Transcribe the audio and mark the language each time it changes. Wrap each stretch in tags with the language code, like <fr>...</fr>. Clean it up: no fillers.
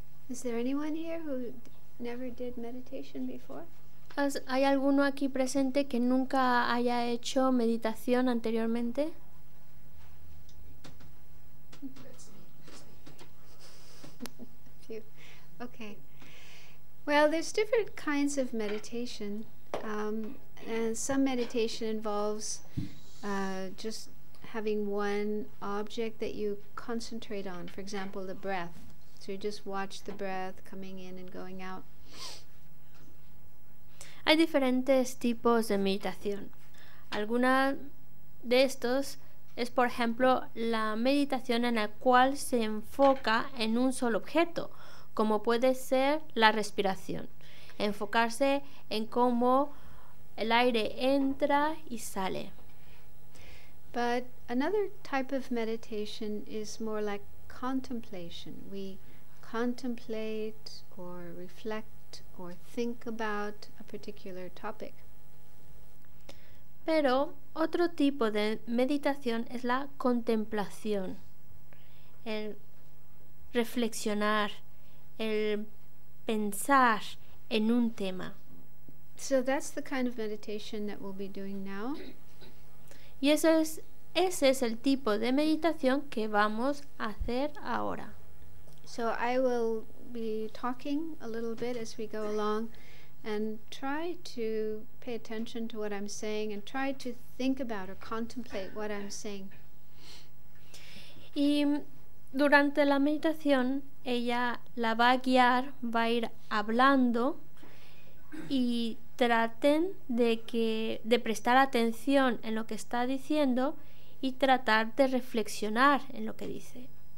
<en>Is there anyone here who never did meditation before?</en> <es>¿Hay alguno aquí presente que nunca haya hecho meditación anteriormente? Okay.</es> <en>Well, there's different kinds of meditation. And some meditation involves just having one object that you concentrate on, for example, the breath. So you just watch the breath coming in and going out.</en> <es>Hay diferentes tipos de meditación. Alguna de estos es, por ejemplo, la meditación en la cual se enfoca en un solo objeto, como puede ser la respiración. Enfocarse en cómo El aire entra y sale.</es> <en>But another type of meditation is more like contemplation. We contemplate or reflect or think about a particular topic.</en> <es>Pero otro tipo de meditación es la contemplación, el reflexionar, el pensar en un tema.</es> <en>So that's the kind of meditation that we'll be doing now.</en> <es>Y ese es el tipo de meditación que vamos a hacer ahora.</es> <en>So I will be talking a little bit as we go along and try to pay attention to what I'm saying and try to think about or contemplate what I'm saying.</en> <es>Y durante la meditación ella la va a guiar, va a ir hablando y traten de prestar atención en lo que está diciendo y tratar de reflexionar en lo que dice.</es>